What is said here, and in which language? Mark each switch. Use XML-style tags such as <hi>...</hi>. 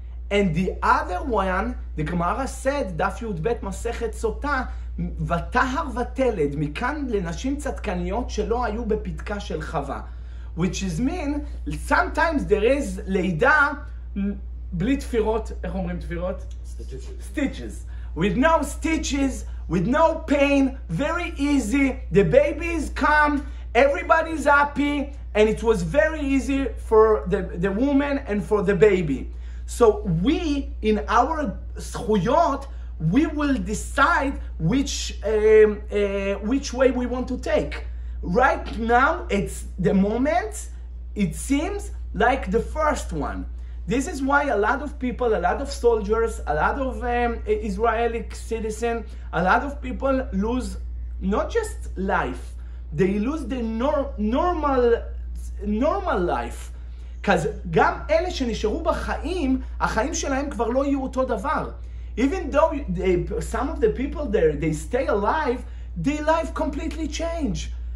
<en>And the other one, the Gemara said,</en> <he>דף יוד בית מסכת סוטה, ותהר ותלד, מכאן לנשים צדקניות שלא היו בפתקה של חווה.</he> <en>Which is mean, sometimes there is</en> <he>לידה, בלי תפירות, איך אומרים תפירות?</he> <en>Stitches. With no stitches, with no pain, very easy, the babies come, everybody's happy, and it was very easy for the woman and for the baby. So we, in our schuyot, we will decide which way we want to take. Right now, it's the moment, it seems like the first one. This is why a lot of people, a lot of soldiers, a lot of Israeli citizens, a lot of people lose not just life, they lose the normal life. Because</en> <he>גם אלה שנשארו בחיים, החיים שלהם כבר לא יהיו אותו דבר.</he> <en>Even though some of the people there, they stay alive, their life completely change.</en>